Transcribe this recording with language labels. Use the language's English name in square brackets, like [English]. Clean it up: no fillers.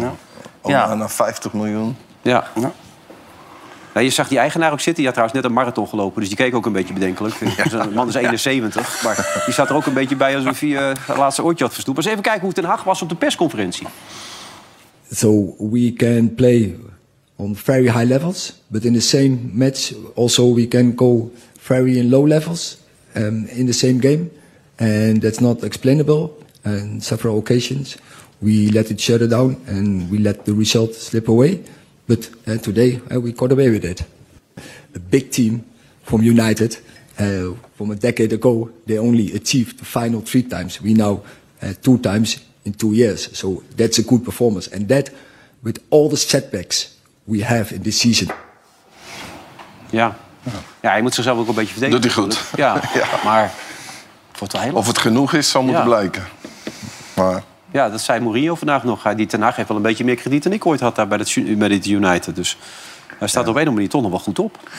[Dutch] Ja. Omana 50 miljoen. Ja. Nou, je zag die eigenaar ook zitten. Die had trouwens net een marathon gelopen. Dus die keek ook een beetje bedenkelijk. Ja. De man is 71. Ja. Maar die zat er ook een beetje bij alsof hij het laatste oortje had verstoept. Maar eens even kijken hoe Ten Hag was op de persconferentie. [English] So we can play on very high levels. But in the same match also we can go very in low levels. In the same game, and that's not explainable. And several occasions, we let each other down, and we let the result slip away. But today, we got away with it. A big team from United, from a decade ago, they only achieved the final 3 times. We now 2 times in 2 years. So that's a good performance, and that, with all the setbacks we have in this season. Yeah. [Dutch] Ja, hij moet zichzelf ook een beetje verdedigen. Doet hij goed. Ja, ja. Maar het wel of het genoeg is, zal moeten blijken. Maar... Ja, dat zei Mourinho vandaag nog. Die Ten Hag heeft wel een beetje meer krediet dan ik ooit had daar bij dit United. Dus hij staat op een of andere manier toch nog wel goed op.